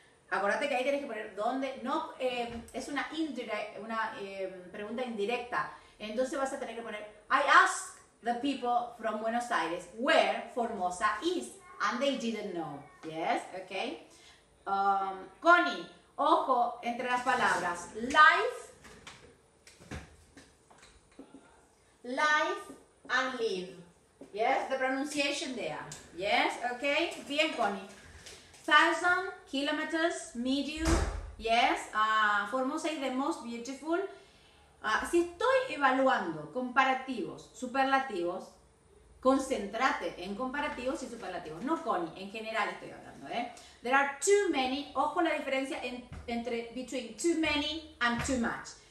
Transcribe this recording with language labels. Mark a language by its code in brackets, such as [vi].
[es] Acuérdate que ahí tienes que poner dónde, no, es una pregunta indirecta. Entonces vas a tener que poner, [en] I asked the people from Buenos Aires where Formosa is, and they didn't know. Yes, okay. [es] Connie, ojo entre las palabras. [en] Life and live. Yes, the pronunciation there. Yes, okay. Bien, Connie. Thousand kilometers, medium. Yes, Formosa is the most beautiful. [es] Si estoy evaluando comparativos, superlativos, concéntrate en comparativos y superlativos. No, Connie, en general estoy hablando, ¿eh? [en] There are too many, [es] ojo la diferencia entre [en] between too many and too much.